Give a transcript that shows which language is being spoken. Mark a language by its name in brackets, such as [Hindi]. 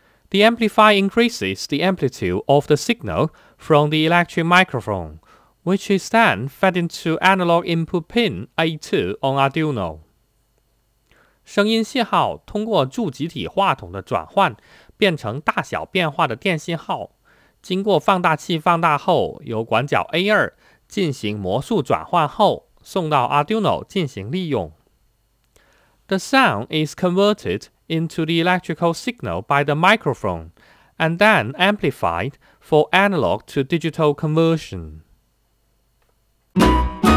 [English] The amplifier increases the amplitude of the signal from the electric microphone, which is then fed into analog input pin A2 on Arduino. [Chinese] 声音信号通过助极体话筒的转换变成大小变化的电信号，经过放大器放大后，由管角 A2 进行模数转换后，送到 Arduino 进行利用。 [English] The sound is converted into the electrical signal by the microphone, and then amplified for analog to digital conversion.